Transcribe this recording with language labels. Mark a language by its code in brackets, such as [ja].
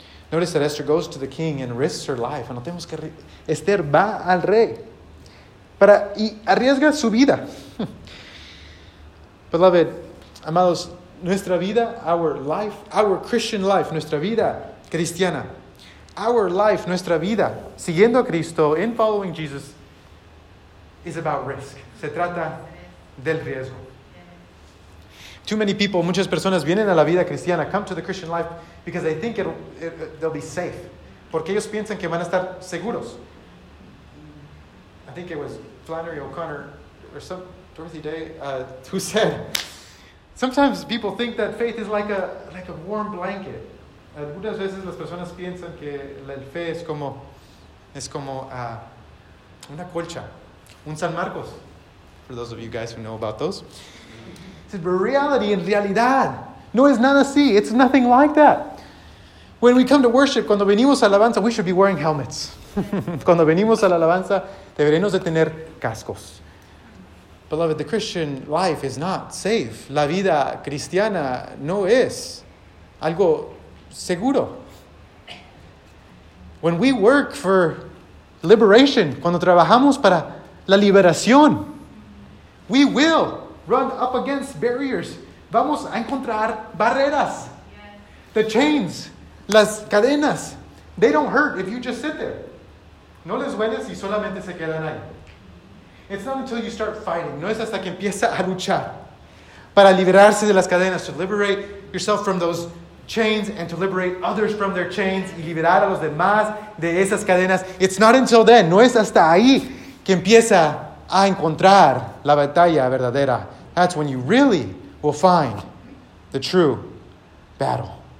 [en] Notice that Esther goes to the king and risks her life. [es] Anotemos que Esther va al rey para y arriesga su vida. [en] Beloved, [es] amados, nuestra vida, [en] our life, our Christian life, [es] nuestra vida cristiana, [en] our life, [es] nuestra vida, siguiendo a Cristo, [en] in following Jesus, is about risk. [es] Se trata del riesgo. [en] Too many people, [es] muchas personas vienen a la vida cristiana, [en] come to the Christian life because they think they'll be safe. [es] Porque ellos piensan que van a estar seguros. [en] I think it was Flannery O'Connor or some Dorothy Day who said, sometimes people think that faith is like a warm blanket. [es] Algunas veces las personas piensan que la fe es como una colcha, un San Marcos. [en] For those of you guys who know about those. But reality, in realidad, [es] no es nada así. [en] It's nothing like that. When we come to worship, [es] cuando venimos a alabanza, [en] we should be wearing helmets. [es] Cuando venimos a la alabanza, deberemos de tener cascos. [en] Beloved, the Christian life is not safe. [es] La vida cristiana no es algo seguro. [en] When we work for liberation, [es] cuando trabajamos para la liberación, [en] we will run up against barriers. [es] Vamos a encontrar barreras. [en] The chains, [es] las cadenas, [en] they don't hurt if you just sit there. [es] No les duele si solamente se quedan ahí. [en] It's not until you start fighting. [es] No es hasta que empieza a luchar para liberarse de las cadenas, [en] to liberate yourself from those chains and to liberate others from their chains [es] y liberar a los demás de esas cadenas. [en] It's not until then. [es] No es hasta ahí que empieza a encontrar la batalla verdadera. [en] That's when you really will find the true battle.